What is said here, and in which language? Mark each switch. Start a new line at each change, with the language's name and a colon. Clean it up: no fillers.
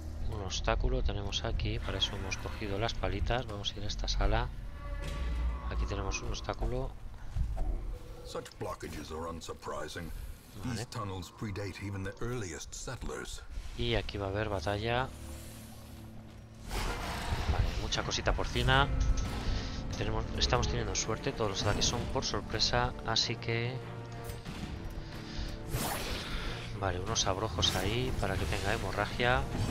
Spanish: Un obstáculo tenemos aquí, para eso hemos cogido las palitas. Vamos a ir a esta sala. Aquí tenemos un obstáculo.
English: Such blockages are unsurprising. These tunnels predate even the earliest settlers.
Spanish: Y aquí va a haber batalla. Mucha cosita porcina. Estamos teniendo suerte. Todos los ataques son por sorpresa. Así que... Vale, unos abrojos ahí para que tenga hemorragia.